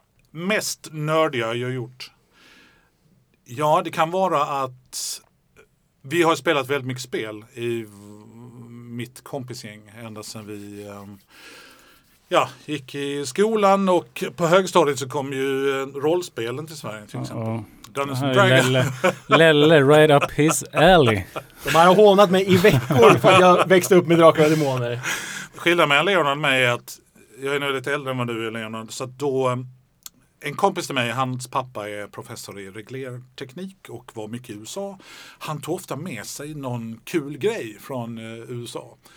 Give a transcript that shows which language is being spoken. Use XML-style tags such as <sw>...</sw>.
<sv>Mest nördiga jag har gjort. Ja, det kan vara att vi har spelat väldigt mycket spel i mitt kompisgäng ända sedan vi gick i skolan, och på högstadiet så kom ju rollspelen till Sverige till exempel. Dungeons & Dragons.</sv> <en>Lelle, right up his alley.</en> <sv>De har hånat mig i veckor för att jag växte upp med Drakar och Demoner. Skillnad med Leonard och mig är att jag är nu lite äldre än vad du är, Leonard, så att då. En kompis till mig, hans pappa är professor i reglerteknik och var mycket i USA. Han tog ofta med sig någon kul grej från USA.</sv>